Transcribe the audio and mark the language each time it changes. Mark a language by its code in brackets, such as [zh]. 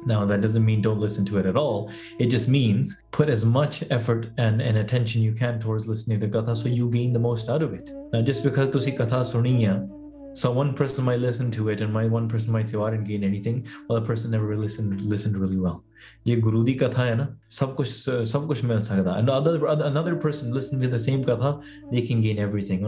[en] Now, that doesn't mean don't listen to it at all. It just means put as much effort and attention you can towards listening to katha so you gain the most out of it. Now, just because [pa] tusi katha suni hai, [en] so one person might listen to it and my one person might say, oh, I didn't gain anything. Well, the person never listened really well. [pa] Ye guru di katha hai na, sab kuch mil sakda. [en] And another person listening to the same katha, they can gain everything.